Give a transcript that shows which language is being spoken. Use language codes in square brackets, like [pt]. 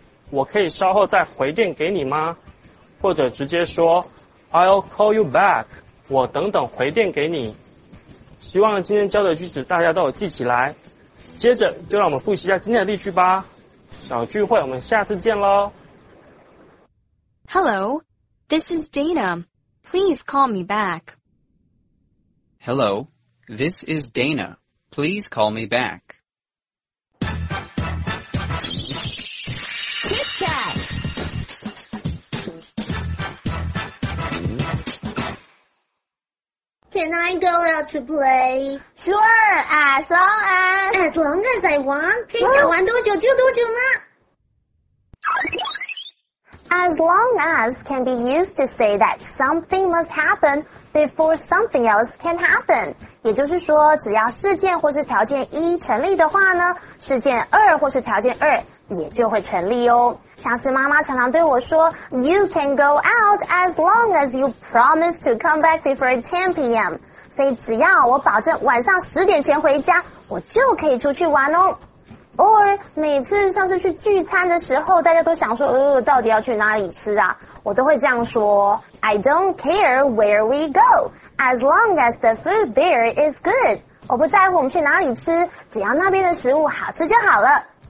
[zh] 我可以稍后再回电给你吗？或者直接说 [en] I'll call you back [zh] 我等等回电给你希望今天教的句子大家都有记起来接着就让我们复习一下今天的例句吧小聚会我们下次见咯 [en] Hello, this is Dana Please call me back Hello, this is Dana Please call me back Chat. Can I go out to play? Sure, as long as... As long as I want. [zh] 可以想玩多久就多久吗? [en] As long as can be used to say that something must happen before something else can happen. [zh] 也就是说只要事件或是条件一成立的话呢事件二或是条件二也就会成立哦像是妈妈常常对我说 [en] You can go out as long as you promise to come back before 10 p.m. [zh] 所以只要我保证晚上十点前回家我就可以出去玩哦 Or 每次像是去聚餐的时候大家都想说到底要去哪里吃啊我都会这样说 [en] I don't care where we go as long as the food there is good [zh] 我不在乎我们去哪里吃只要那边的食物好吃就好了